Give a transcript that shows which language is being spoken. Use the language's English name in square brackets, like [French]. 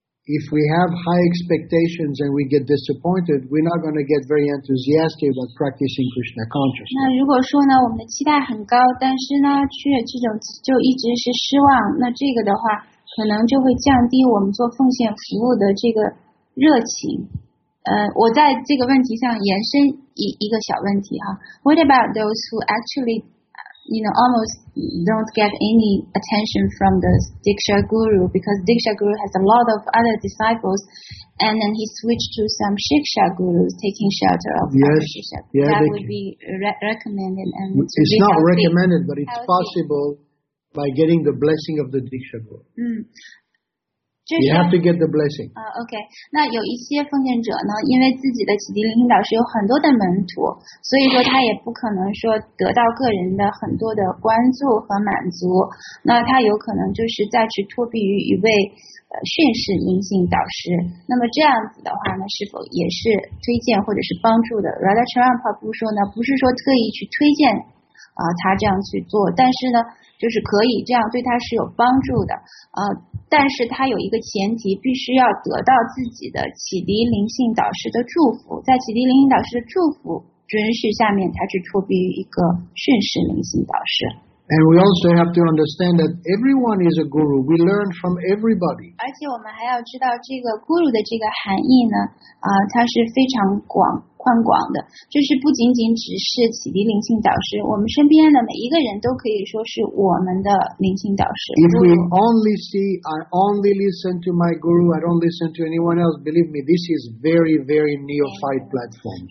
[English] If we have high expectations and we get disappointed, we're not going to get very enthusiastic about practicing Krishna consciousness. [Chinese] 那如果说呢，我们的期待很高，但是呢，却这种就一直是失望，那这个的话，可能就会降低我们做奉献服务的这个热情。我在这个问题上延伸一个小问题哈。 [English] What about those who actually, you know, almost don't get any attention from the Diksha Guru because Diksha Guru has a lot of other disciples and then he switched to some Shiksha Gurus taking shelter of yes, Shiksha. Yeah, that would be recommended. And it's not recommended, but it's possible by getting the blessing of the Diksha Guru. You have to get the blessing. Okay. [Chinese] 那有一些奉献者呢，因为自己的启迪灵性导师有很多的门徒，所以说他也不可能说得到个人的很多的关注和满足。那他有可能就是再去托庇于一位训示灵性导师。那么这样子的话呢，是否也是推荐或者是帮助的 ？Radha Charan Prabhu 说呢，不是说特意去推荐他这样去做，但是呢，就是可以这样对他是有帮助的但是他有一个前提，必须要得到自己的启迪灵性导师的祝福，在启迪灵性导师的祝福准许下面，才去托庇于一个训示灵性导师。 [English] And we also have to understand that everyone is a guru. We learn from everybody. [Chinese] 而且我们还要知道这个 guru 的这个含义呢，它是非常宽广的，就是不仅仅只是启迪灵性导师，我们身边的每一个人都可以说是我们的灵性导师。 [English] If we only see, I only listen to my guru, I don't listen to anyone else, believe me, this is very, very neophyte platform.